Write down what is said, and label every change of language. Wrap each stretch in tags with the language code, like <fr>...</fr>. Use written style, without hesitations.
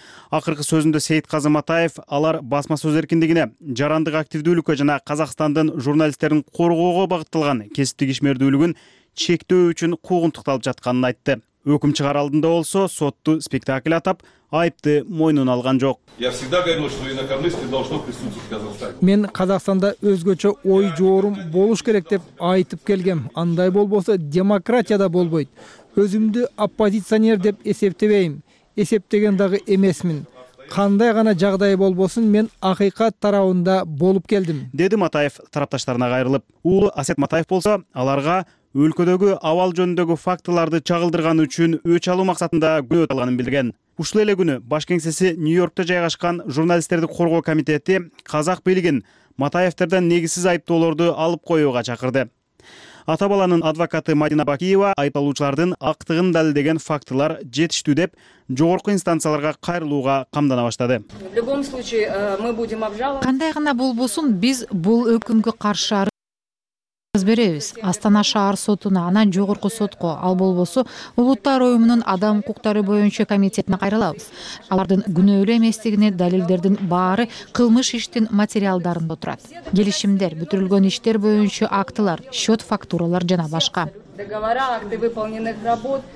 <ky>Акыркы сөзүндө Сейитказы Матаев алар басма сөз эркиндигине, жарандык активдүүлүккө жана Казакстандын журналисттерин коргоого багытталган кесиптик ишмердүүлүгүн чектөө үчүн куугунтукталып жатканын айтты. Өкүм чыгар алдында болсо, сотту спектакль атап, айыпты мойнуна алган жок.</ky> <ru>Я всегда говорил, что инакомыслие должно присутствовать в Казахстане.</ru> <ky>Мен Казахстанда өзгөчө ой жоорум болуш керек деп айтып келгем. Андай болбосо демократия да болбойт. Өзүмдү оппозиционер деп эсептебейм. Эсептеген дагы эмесмин. Кандай гана жагдай болбосун, мен акыйкат тарабында болуп келдим. Деди Матаев тарапташтарына кайрылып. Уулу Асет Матаев болсо, аларга өлкөдөгү абал жөнүндөгү фактыларды чагылдырган үчүн өч алуу максатында күнөө алганын билдирген. Ушул эле күнү баш кеңсеси Нью-Йоркто жайгашкан журналисттерди коргоо комитети казак бийлигин Матаевтерден негизсиз айыптоолорду алып коюуга чакырды. Атабаланын адвокаты Мадина Бакиева айыпталуучулардын актыгын далилдеген фактылар жетиштүү деп жогорку инстанцияларга кайрылууга камдана баштады.</ky> <ru>В любом случае мы будем обжаловать.</ru> <ky>Кандай гана болбосун, биз бул өкүмгө каршы беребиз. Астана шаар сотуна, анан жогорку сотко, ал болбосо улуттар уюмунун адам укуктары боюнча комитетине кайрылабыз. Алардын күнөөлүү эместигине далилдердин баары кылмыш иштин материалдарында турат. Келишимдер, бүтүрүлгөн иштер боюнча актылар, счет фактуралар жана башка.</ky> <ru>Договора, акты выполненных работ.</ru>